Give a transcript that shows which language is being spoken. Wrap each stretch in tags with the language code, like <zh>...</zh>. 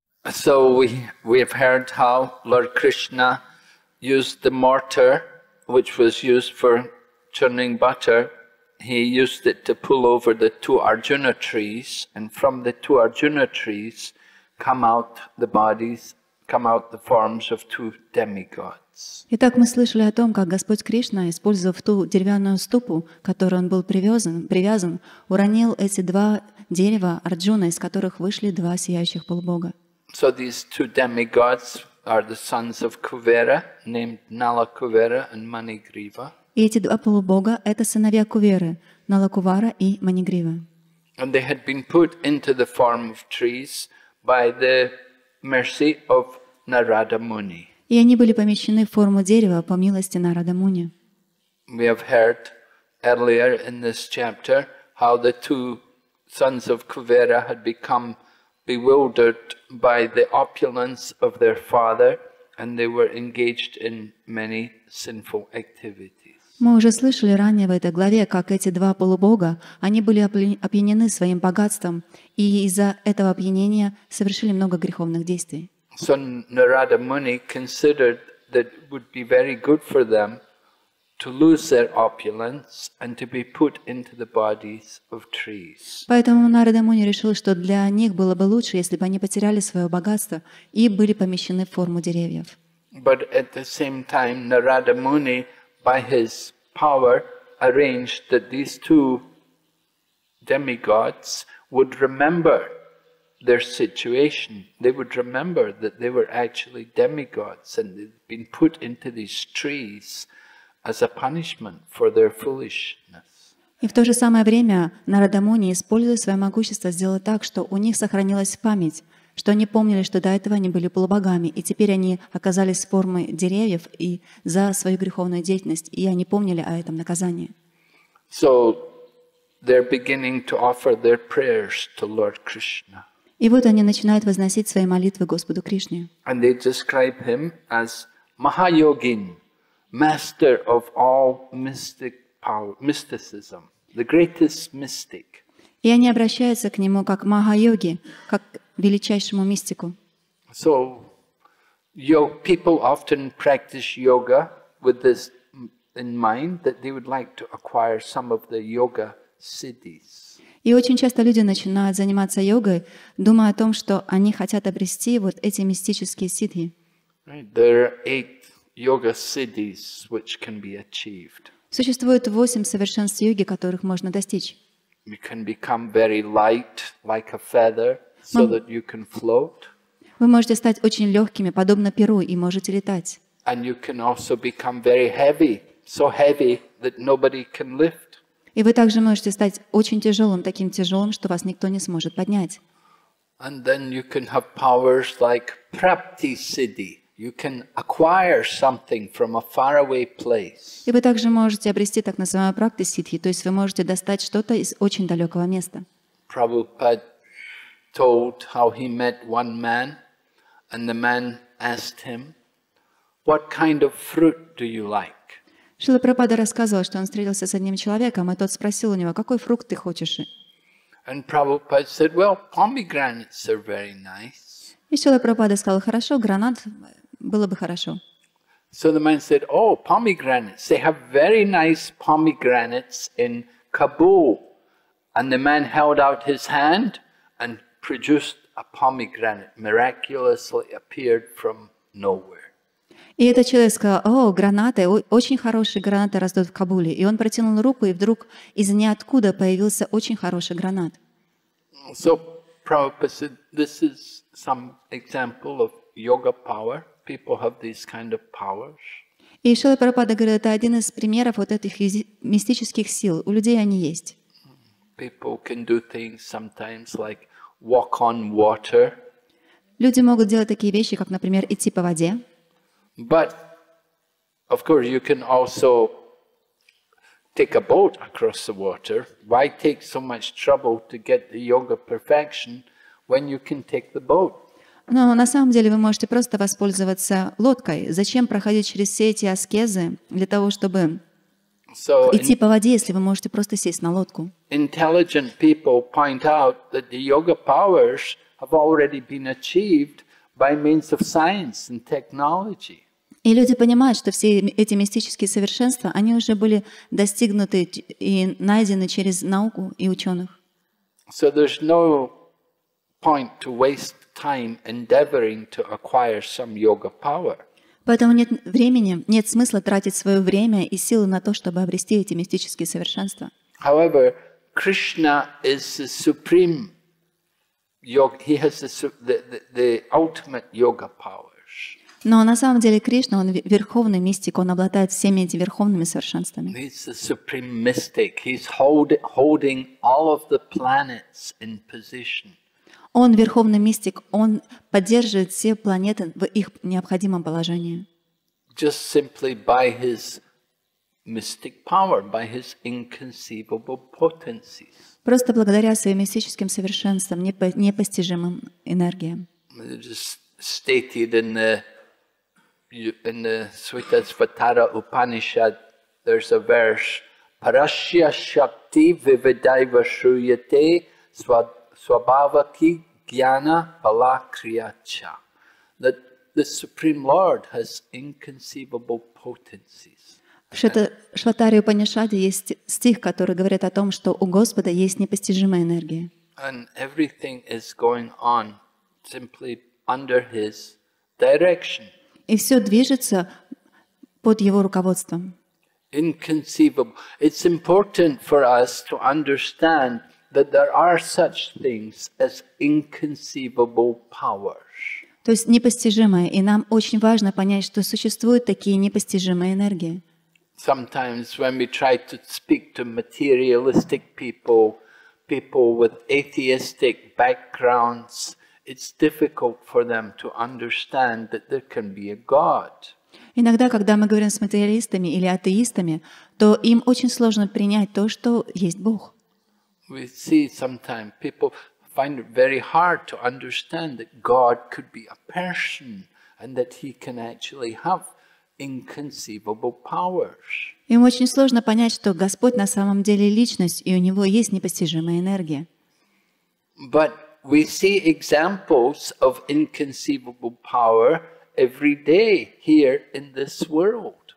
<en>So we've heard how Lord Krishna used the mortar which was used for churning butter. He used it to pull over the two Arjuna trees, and from the two Arjuna trees come out the forms of two demigods.</en> <ru>Итак, мы слышали о том, как Господь Кришна, использовав ту деревянную ступу, которой он был привязан, уронил эти два дерева Арджуна, из которых вышли два сияющих полубога.</ru> <en>So these two demigods are the sons of Kuvera, named Nala Kuvera and Manigriva.</en> <ru>И эти два полубога — это сыновья Куверы, Нала Кувара и Манигрива.</ru> <en>And they had been put into the form of trees by the mercy of Narada Muni.</en> <ru>И они были помещены в форму дерева по милости Нарада Муни.</ru> <en>We have heard earlier in this chapter how the two sons of Kuvera had become bewildered by the opulence of their father, and they were engaged in many sinful activities.</en> <ru>Мы уже слышали ранее в этой главе, как эти два полубога, они были опьянены своим богатством, и из-за этого опьянения совершили много греховных действий.</ru> <en>So Narada Muni considered that it would be very good for them to lose their opulence and to be put into the bodies of trees.</en> <ru>Поэтому Нарада Муни решил, что для них было бы лучше, если бы они потеряли свое богатство и были помещены в форму деревьев.</ru> <en>But at the same time, Narada Muni, by his power, arranged that these two demigods would remember their situation. They would remember that they were actually demigods and they'd been put into these trees as a punishment for their foolishness.</en> <ru>И в то же самое время Нарада Муни, используя свое могущество, сделал так, что у них сохранилась память, что они помнили, что до этого они были полубогами, и теперь они оказались формой деревьев и за свою греховную деятельность, и они помнили о этом наказании.</ru> <en>So they're beginning to offer their prayers to Lord Krishna.</en> <ru>И вот они начинают возносить свои молитвы Господу Кришне.</ru> <en>And they describe him as Mahayogin, master of all mystic power, mysticism, the greatest mystic.</en> <ru>И они обращаются к нему как Махайоги, как величайшему мистику.</ru> <en>So, people often practice yoga with this in mind that they would like to acquire some of the yoga siddhis.</en> <ru>И очень часто люди начинают заниматься йогой, думая о том, что они хотят обрести вот эти мистические сиддхи.</ru> <en>There are 8 yoga siddhis which can be achieved.</en> <ru>Существует 8 совершенств йоги, которых можно достичь.</ru> <en>You can become very light, like a feather, so that you can float.</en> <ru>Вы можете стать очень легкими, подобно перу, и можете летать.</ru> <en>And you can also become very heavy, so heavy that nobody can lift.</en> <ru>И вы также можете стать очень тяжелым, таким тяжелым, что вас никто не сможет поднять.</ru> <en>And then you can have powers like prapti siddhi. You can acquire something from a faraway place.</en> <ru>И вы также можете обрести так называемую практи сиддхи, то есть вы можете достать что-то из очень далекого места.</ru> <en>Prabhupada told how he met one man, and the man asked him, "What kind of fruit do you like?"</en> <ru>Шрила Прабхупада рассказывал, что он встретился с одним человеком, и тот спросил у него, какой фрукт ты хочешь.</ru> <en>And Prabhupada said, "Well, pomegranates are very nice."</en> <ru>И Шрила Прабхупада сказал, хорошо, гранат. Было бы хорошо.</ru> <en>So the man said, "Oh, pomegranates. They have very nice pomegranates in Kabul." And the man held out his hand and produced a pomegranate, miraculously appeared from nowhere.</en> <ru>И этот человек сказал, "О, гранаты, очень хорошие гранаты растут в Кабуле." И он протянул руку, и вдруг из ниоткуда появился очень хороший гранат.</ru> <en>So Prabhupada said, "This is some example of yoga power." People have these kind of powers.</en> <ru>И Шрила Прабхупада говорит, это один из примеров вот этих мистических сил. У людей они есть.</ru> <en>People can do things sometimes like walk on water.</en> <ru>Люди могут делать такие вещи, как, например, идти по воде.</ru> <en>But of course you can also take a boat across the water. Why take so much trouble to get the yoga perfection when you can take the boat?</en> <ru>Но на самом деле вы можете просто воспользоваться лодкой. Зачем проходить через все эти аскезы для того, чтобы идти по воде, если вы можете просто сесть на лодку?</ru> <en>Intelligent people point out that the yoga powers have already been achieved by means of science and technology.</en> <ru>И люди понимают, что все эти мистические совершенства, они уже были достигнуты и найдены через науку и ученых.</ru> <en>So there's no point to waste time endeavoring to acquire some yoga power.</en> <ru>Поэтому нет времени, нет смысла тратить свое время и силы на то, чтобы обрести эти мистические совершенства.</ru> <en>However, Krishna is the supreme yoga. He has the ultimate yoga powers.</en> <ru>Но на самом деле Кришна, он верховный мистик, он обладает всеми этими верховными совершенствами.</ru> <en>He's the supreme mystic. He's holding all of the planets in position.</en> <ru>Он верховный мистик, он поддерживает все планеты в их необходимом положении.</ru> <en>Just simply by his mystic power, by his inconceivable potencies.</en> <ru>Просто благодаря своим мистическим совершенствам, непостижимым энергиям.</ru> <en>Stated in the Svatasvatara Upanishad, there's a verse,</en> <sa>Parashya Shakti Vividaiva Shruyate Swabhavaki Jnana Balakriyacha,</sa> <en>that the Supreme Lord has inconceivable potencies.</en> <ru>В Шватаре Упанишаде есть стих, который говорит о том, что у Господа есть непостижимая энергия.</ru> <en>And everything is going on simply under His direction.</en> <ru>И все движется под Его руководством.</ru> <en>Inconceivable. It's important for us to understand that there are such things as inconceivable powers.</en> <ru>То есть непостижимое, и нам очень важно понять, что существуют такие непостижимые энергии.</ru> <en>Sometimes when we try to speak to materialistic people, people with atheistic backgrounds, it's difficult for them to understand that there can be a God.</en> <ru>Иногда, когда мы говорим с материалистами или атеистами, то им очень сложно принять то, что есть Бог.</ru> <en>We see sometimes people find it very hard to understand that God could be a person and that he can actually have inconceivable powers.</en> <ru>Им очень сложно понять, что Господь на самом деле личность, и у него есть непостижимая энергия.</ru> <en>But we see examples of inconceivable power every day here in this world.</en>